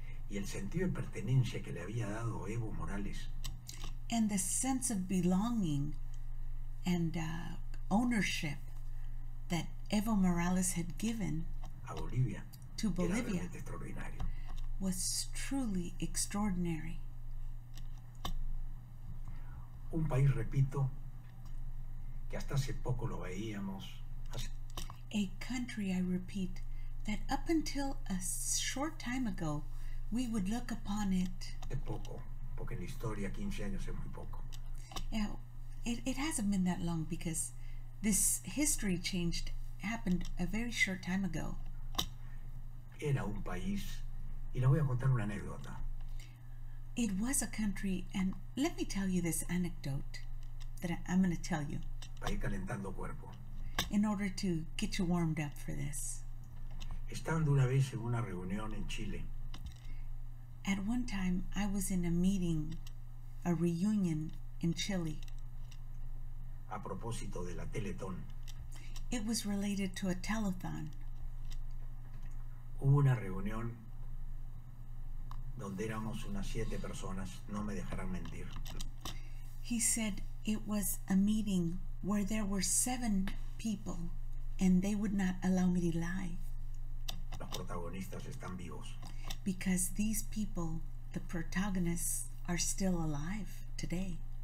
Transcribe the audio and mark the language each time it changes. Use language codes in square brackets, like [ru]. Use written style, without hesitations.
[es] Y el sentido de pertenencia que le había dado Evo Morales. [en] And the sense of belonging and ownership that Evo Morales had given [es] a Bolivia, [en] to Bolivia, [es] era extraordinario. [en] Was truly extraordinary. [es] Un país, repito, que hasta hace poco lo veíamos. [en] A country, I repeat, that up until a short time ago, we would look upon it. [es] Hace poco, porque en la historia 15 años es muy poco. [en] Yeah, it hasn't been that long because this history happened a very short time ago. [es] Era un país, y le voy a contar una anécdota. [en] It was a country, and let me tell you this anecdote that I'm going to tell you. [es] Para ir calentando cuerpo. [en] In order to get you warmed up for this. [es] Estando una vez en una reunión en Chile. [en] At one time, I was in a meeting, a reunion in Chile. [es] A propósito de la Teletón. [en] It was related to a telethon. [es] Hubo una reunión donde éramos unas 7 personas, no me dejarán mentir. [en] He said it was a meeting where there were 7 people and they would not allow me to lie. [es] Los protagonistas están vivos. [en] Because these people, the protagonists, are still alive today.